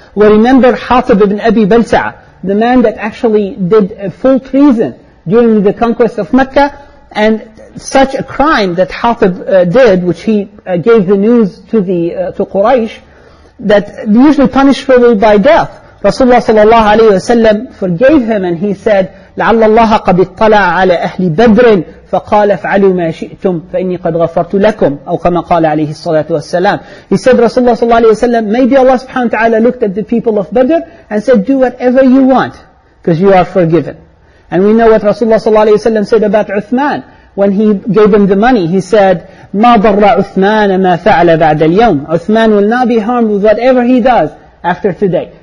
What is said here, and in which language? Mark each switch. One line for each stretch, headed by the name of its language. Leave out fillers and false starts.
English: We remember Hatib ibn Abi Balsa'a, the man that actually did a full treason during the conquest of Mecca, and such a crime that Hatib did, which he gave the news to Quraysh, that usually punished by death.
Arabic: Rasulullah sallallahu alayhi wa sallam
English: forgave him and he said,
Arabic: لَعَلَّ اللَّهَ قَدْ اطَّلَعَ عَلَىٰ أَهْلِ بَدْرٍ فَقَالَ فَعَلُوا مَا شِئْتُمْ فَإِنِّي قَدْ غَفَرْتُ لَكُمْ أَوْ كَمَا قَالَ عَلَيْهِ الصَّلَاةُ وَالسَّلَامُ.
English: He said, Rasulullah sallallahu alayhi wa sallam, maybe Allah subhanahu wa ta'ala looked at the people of Badr and said, do whatever you want, because you are forgiven. And we know what Rasulullah صلى الله عليه وسلم said about Uthman. When he gave him the money, he said,
Arabic: مَا ضَرَّ عُثْمَانَ مَا فَعْلَ بَعْدَ الْيَوْمِ
English: Uthman will not be harmed with whatever he does after today.